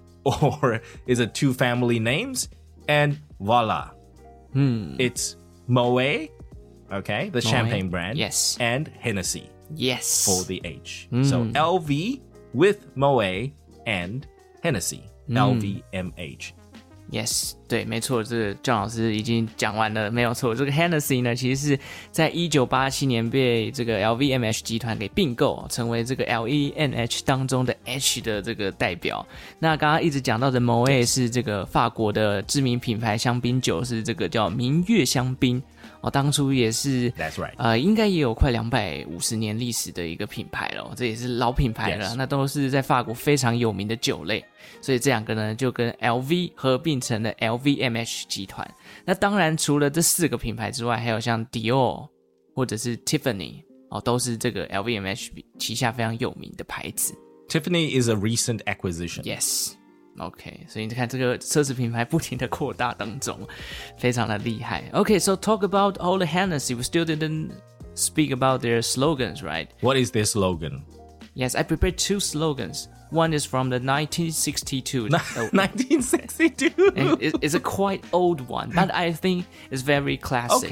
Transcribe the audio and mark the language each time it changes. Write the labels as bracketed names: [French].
[English] Or is it two family names? And voila. It's Moët, okay, the Moët. Champagne brand. Yes. And Hennessy. Yes. For the H. So LV with Moët and Hennessy. LVMH. [Chinese] Yes, 对，没错，这个郑老师已经讲完了，没有错。这个 Hennessy 呢，其实是在1987年被这个 LVMH 集团给并购，成为这个 LENH 当中的 H 的这个代表。那刚刚一直讲到的 Moët 是这个法国的知名品牌香槟酒，是这个叫明月香槟。哦，当初也是 [English] That's right. [Chinese] 应该也有快250年历史的一个品牌了，这也是老品牌了。 [English] Yes. [Chinese] 那都是在法国非常有名的酒类，所以这两个呢就跟 LV 合并成了 LVMH 集团。那当然除了这四个品牌之外，还有像 Dior 或者是 Tiffany、哦、都是这个 LVMH 旗下非常有名的牌子。 [English] Tiffany is a recent acquisition. Yes. [Chinese] OK, 所以你看这个奢侈品牌不停的扩大当中，非常的厉害。 [English] OK, so talk about all the Hennessy. We still didn't speak about their slogans, right? What is their slogan? Yes, I prepared two slogansOne is from the 1962. 1962? It's a quite old one, but I think it's very classic.